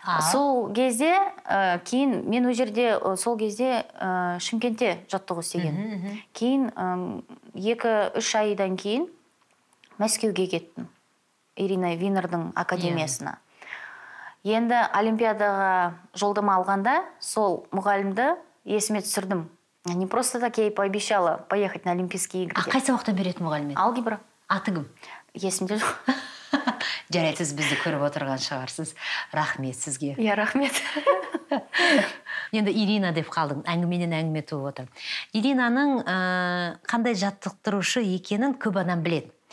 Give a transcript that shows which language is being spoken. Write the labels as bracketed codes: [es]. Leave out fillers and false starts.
[kk] Сол кезде, кейін мен өз жерде, сол кезде Шымкентте жаттығу істеген. Кейін 2-3 айдан кейін Мәскеуге кеттім. Ирина Винердің академиясына. Енді олимпиадаға жолдама алғанда сол мұғалімді есіме түсірдім. [ru] Не просто так я и пообещала поехать на Олимпийские игры. [kk] А қай сабақтан беретін мұғалімді? Алгебра. Аты кім? Есімде жоқ. Жарайды, сіз бізді көріп отырған шығарсыз. Рахмет сізге. Иә, рахмет. Енді Ирина деп қалдың, әңгіменен әңгіме туып отыр. Иринаның қандай жаттықтырушы екенін көп адам біледі.